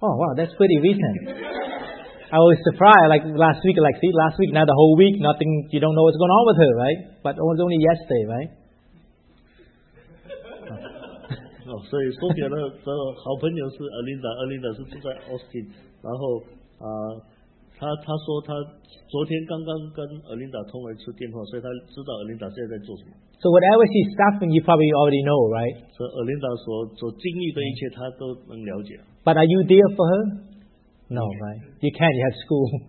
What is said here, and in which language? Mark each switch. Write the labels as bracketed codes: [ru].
[en] Oh, wow, that's pretty recent. I was surprised, like last week, like see, last week, now the whole week, nothing, you don't know what's going on with her, right? But it was only yesterday, right? Oh, so Sophia's friend is Linda. Linda is in Austin. [zh] And 他说他昨天刚刚跟Erlinda通了一次电话，所以他知道Erlinda现在在做什么。So [en] whatever she's suffering, you probably already know, right? [zh] So Erlinda所经历的一切，他都能了解。 [en] But are you there for her? No, right? You can't. You have school.